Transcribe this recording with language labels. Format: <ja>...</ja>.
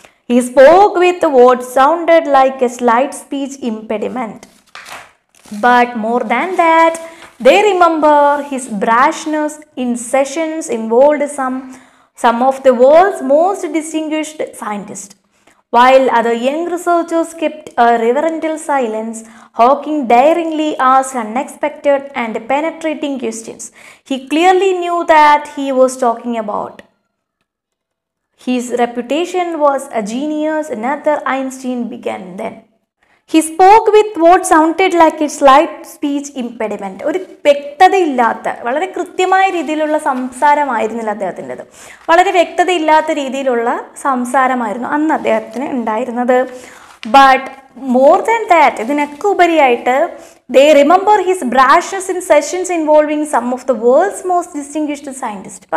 <en>He spoke with what sounded like a slight speech impediment, but more than that they remember his brashness in sessions involved some of the world's most distinguished scientist. While other young researchers kept a reverential silence, Hawking daringly asked unexpected and penetrating questions. He clearly knew that he was talking about. His reputation was a genius, another Einstein began then. He spoke with what sounded like it slight speech impediment.</en> <ml>ഒരു വ്യക്തതയില്ലാത്ത, വളരെ കൃത്യമായ രീതിയിലുള്ള സംസാരമായിരുന്നില്ല അദ്ദേഹത്തിൻ്റെത്. വളരെ വ്യക്തതയില്ലാത്ത രീതിയിലുള്ള സംസാരമായിരുന്നു അന്ന് അദ്ദേഹത്തിന് ഉണ്ടായിരുന്നത്.</ml> <en>but more than that,</en> <ml>ഇതിനൊക്കെ ഉപരിയായിട്ട്</ml> <en>They remember his brashness in sessions involving some of the world's most distinguished scientist.</en>